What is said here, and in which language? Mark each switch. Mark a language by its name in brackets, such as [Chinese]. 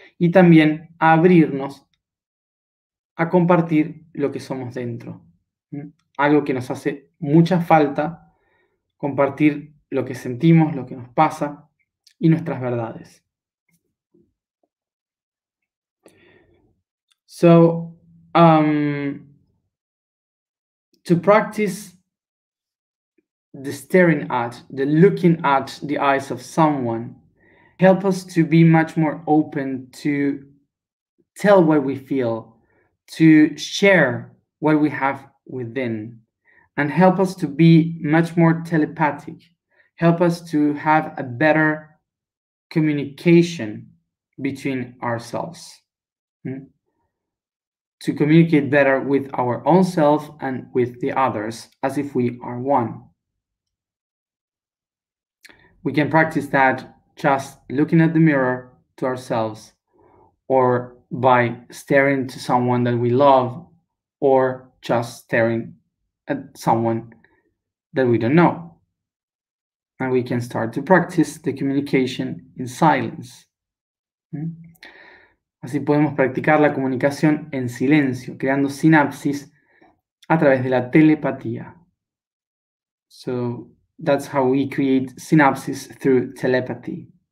[Spanish] y también a abrirnos a compartir lo que somos dentro. Algo que nos hace mucha falta, compartir lo que sentimos, lo que nos pasa y nuestras verdades. [English] So, to practice the staring at, the looking at the eyes of someone, help us to be much more open to tell what we feel, to share what we have within, and help us to be much more telepathic, help us to have a better communication between ourselves, to communicate better with our own self and with the others, as if we are one. We can practice that just looking at the mirror to ourselves, or by staring to someone that we love, or just staring at someone that we don't know. And we can start to practice the communication in silence. [Spanish] Así podemos practicar la comunicación en silencio, creando sinapsis a través de la telepatía. [English] So that's how we create synapses through telepathy.